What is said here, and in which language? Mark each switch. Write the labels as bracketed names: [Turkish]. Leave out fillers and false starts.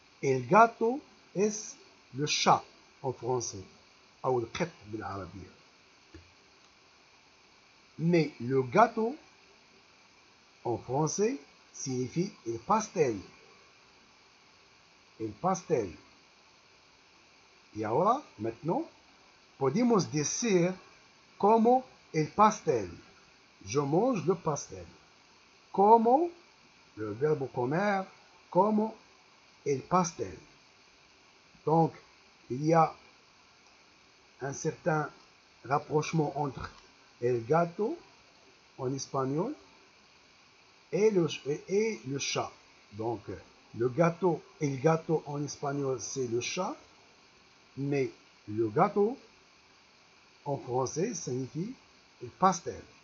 [Spanish] El gato es [French] le chat en français. Ou le chat en arabie. Mais le gâteau en français signifie [Spanish] el pastel. El pastel. Et ahora, maintenant, podemos decir como el pastel. [French] Je mange le pastel. Como, le verbe comer, [Spanish] como el pastel. [French] Donc, il y a un certain rapprochement entre el gato en espagnol et le chat. Donc, le gâteau, el gato en espagnol, c'est le chat, mais le gâteau en français signifie [Spanish] el pastel.